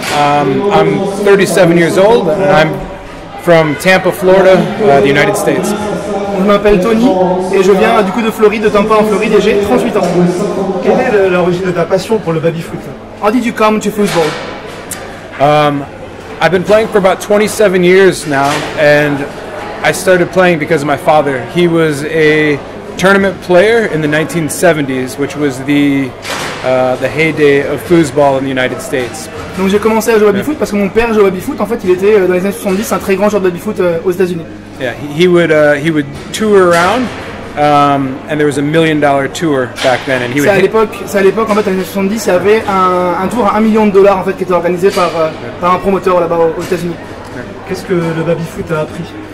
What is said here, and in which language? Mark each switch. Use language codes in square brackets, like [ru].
[en] I'm 37 years old, and I'm from Tampa, Florida, the United States. [fr] Je m'appelle Tony et je viens du coup de Floride, de Tampa en Floride, et j'ai 38 ans. Quelle est l'origine de ta passion pour le baby-foot? [en] How did you come to football? I've been playing for about 27 years now, and I started playing because of my father. He was a tournament player in the 1970s, which was the heyday of foosball in the United States. [fr] Donc j'ai commencé à jouer au baby-foot parce que mon père jouait au baby-foot. En fait, il était dans les années 70 un très grand joueur de baby-foot aux États-Unis. [en] Yeah, he would tour around, and there was $1 million tour back then, and he would. [fr] C'est à l'époque, en fait, dans les années 70, il y avait un tour à $1 million en fait qui était organisé par un promoteur là-bas aux États-Unis. Qu'est-ce que le baby-foot a appris?